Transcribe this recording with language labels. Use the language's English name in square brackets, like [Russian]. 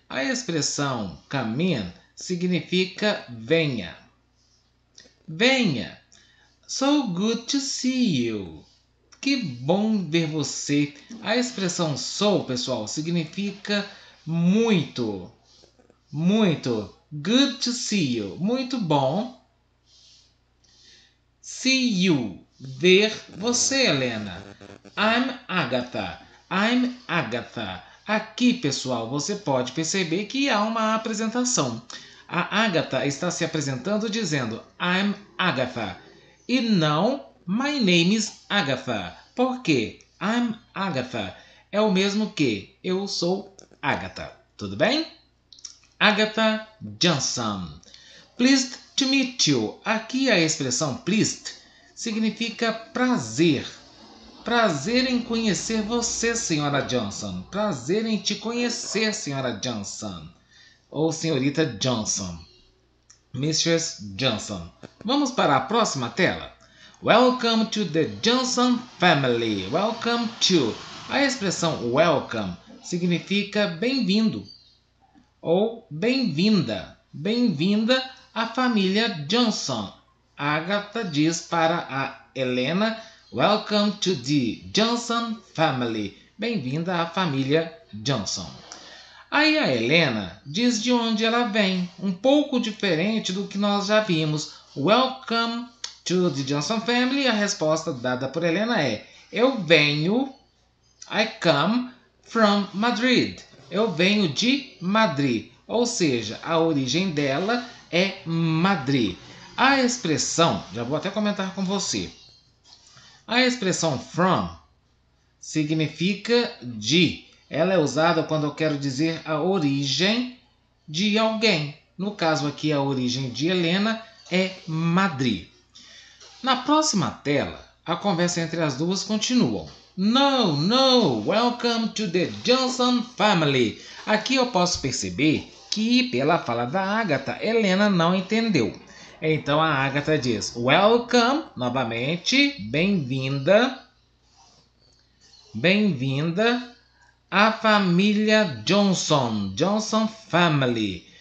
[Portuguese] A expressão come in significa venha. Venha. [English] So good to see you. [Portuguese] Que bom ver você. A expressão sou, pessoal, significa muito. Muito. [English] Good to see you. [Portuguese] Muito bom. [English] See you. [Portuguese] ver você, Helena. [English] I'm Agatha. I'm Agatha. [Portuguese] Aqui, pessoal, você pode perceber que há uma apresentação. A Agatha está se apresentando dizendo [English] I'm Agatha. [Portuguese] E não [English] My name is Agatha. [Portuguese] Por quê? [English] I'm Agatha [Portuguese] é o mesmo que eu sou Agatha. Tudo bem? [English] Agatha Johnson. Pleased to meet you. [Portuguese] Aqui a expressão pleased significa prazer. Prazer em conhecer você, senhora Johnson. Prazer em te conhecer, senhora Johnson. Ou senhorita Johnson. Mistress Johnson. Vamos para a próxima tela. [English] Welcome to the Johnson family. Welcome to. [Portuguese] A expressão welcome significa bem-vindo. Ou bem-vinda. Bem-vinda à família Johnson. A Agatha diz para a Helena, [English] Welcome to the Johnson family. [Portuguese] Bem-vinda à família Johnson. Aí a Helena diz de onde ela vem. Um pouco diferente do que nós já vimos. [English] Welcome to the Johnson family. [Portuguese] A resposta dada por Helena é, Eu venho, [English] I come from Madrid. [Portuguese] Eu venho de Madrid. Ou seja, a origem dela é Madrid. A expressão, já vou até comentar com você. A expressão from significa de. Ela é usada quando eu quero dizer a origem de alguém. No caso aqui, a origem de Helena é Madrid. Na próxima tela, a conversa entre as duas continua. [English] No, no, welcome to the Johnson family. [Portuguese] Aqui eu posso perceber que, pela fala da Agatha, Helena não entendeu. Então, a Agatha diz, welcome, novamente, bem-vinda, bem-vinda à família Johnson, Johnson family.